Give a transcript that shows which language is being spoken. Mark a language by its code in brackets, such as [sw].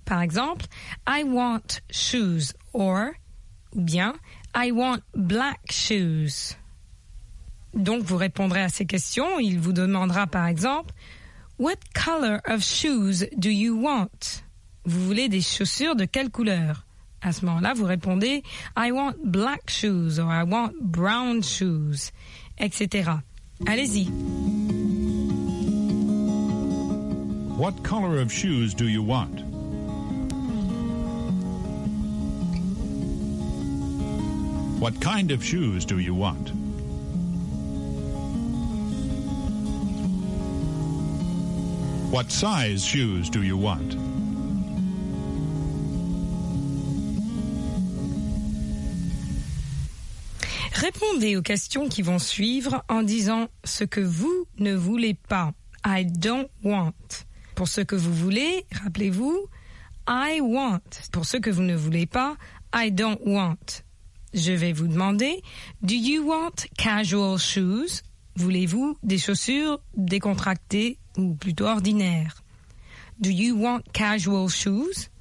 [fr] Par exemple, [en] I want shoes. Or, [fr] ou bien, [en] I want black shoes. [fr] Donc, vous répondrez à ces questions. Il vous demandera, par exemple, [en] What color of shoes do you want? [fr] Vous voulez des chaussures de quelle couleur? À ce moment-là, vous répondez « [en] I want black shoes [fr] » ou « [en] I want brown shoes [fr] », etc. Allez-y. [en] What color of shoes do you want? What kind of shoes do you want? What size shoes do you want? [fr] Répondez aux questions qui vont suivre en disant ce que vous ne voulez pas. [en] I don't want. [fr] Pour ce que vous voulez, rappelez-vous, [en] I want. [fr] Pour ce que vous ne voulez pas, [en] I don't want. [fr] Je vais vous demander, [en] do you want casual shoes? [fr] Voulez-vous des chaussures décontractées ou plutôt ordinaires? [en] Do you want casual shoes?